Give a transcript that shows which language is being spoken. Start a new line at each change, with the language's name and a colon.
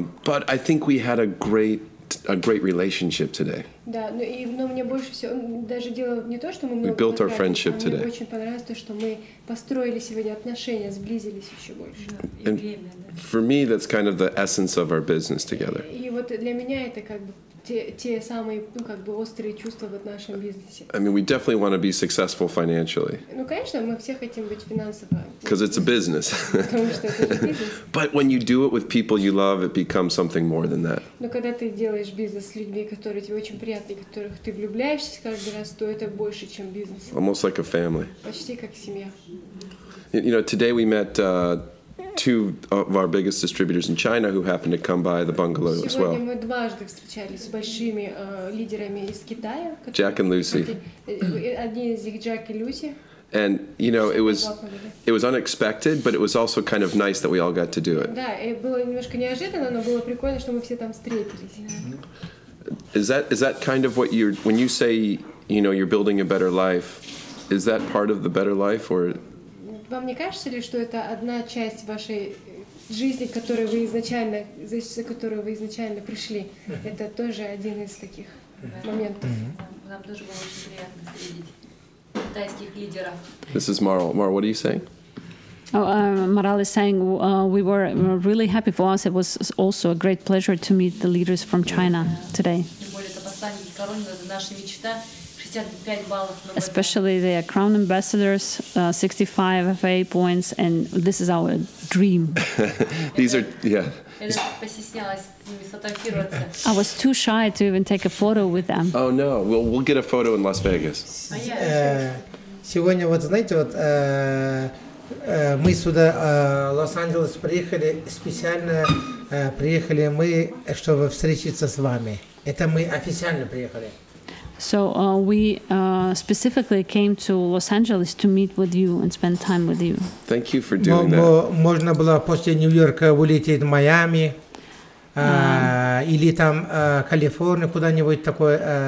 English: But I think we had a great relationship today.
Russian: Да, ну и но мне больше всего даже дело не то, что мы
English: We built our friendship
Russian: мне
English: today.
Russian: Мне очень понравилось то, что мы построили сегодня отношения, сблизились еще больше.
English: And for me, that's kind of the essence of our business together.
Russian: И вот для меня это как бы те самые ну как бы острые чувства в нашем бизнесе.
English: I mean, we definitely want to be successful financially.
Russian: Ну конечно, мы все хотим быть финансово.
English: Because it's a business.
Russian: Потому что это бизнес.
English: But when you do it with people you love, it becomes something more than that.
Russian: Но когда ты делаешь бизнес с людьми, которые тебе очень приятны, которых ты влюбляешься каждый раз, то это больше, чем бизнес.
English: Almost like a family.
Russian: Почти как семья.
English: You know, today we met two of our biggest distributors in China who happened to come by the bungalow
Russian: Сегодня
English: as well.
Russian: Сегодня мы дважды встречались с большими лидерами из Китая.
English: Jack and Lucy.
Russian: Одни из них Jack и Lucy.
English: And you know, it was unexpected, but it was also kind of nice that we all got to do it.
Russian: Да, это было немножко неожиданно, но было прикольно, что мы все там встретились.
English: Is that kind of what you're when you say, you know, you're building a better life? Is that part of the better life or
Russian: Вам не кажется ли, что это одна часть вашей жизни, которую вы изначально, за которую вы изначально пришли? Это тоже один из таких моментов. Нам тоже было очень приятно встретить китайских лидеров.
English: This is Marl. Marl, what are you saying? Marl is saying we were really happy for us. It was also a great pleasure to meet the leaders from China today.
Russian: Тем более, это послание короны, это наша мечта. 65 баллов.
English: Especially the Crown Ambassadors, 65 FA points, and this is our dream. These are, yeah. I was too shy to even take a photo with them. Oh no, we'll get a photo in Las Vegas.
Russian: Сегодня, вот знаете, вот мы сюда, Лос-Анджелес, приехали специально, приехали мы, чтобы встретиться с вами. Это мы официально приехали.
English: So we specifically came to Los Angeles to meet with you and spend time with you. Thank you for doing that.
Russian: Можно было после Нью-Йорка улететь в Майами или там Калифорнию куда-нибудь такой.